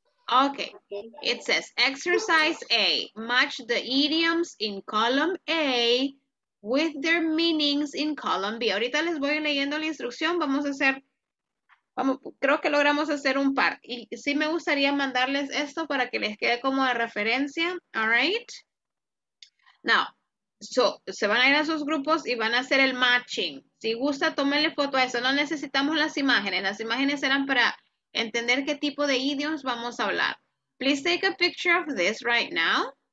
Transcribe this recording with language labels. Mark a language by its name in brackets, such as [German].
[English] Okay, it says exercise A, match the idioms in column A with their meanings in column B. [Spanish] Ahorita les voy leyendo la instrucción, creo que logramos hacer un par. Y sí me gustaría mandarles esto para que les quede como de referencia. [English] All right. Now, [Spanish] So, se van a ir a sus grupos y van a hacer el matching. Si gusta, tómenle foto a eso. No necesitamos las imágenes. Las imágenes eran para entender qué tipo de idioms vamos a hablar. [English] Please take a picture of this right now.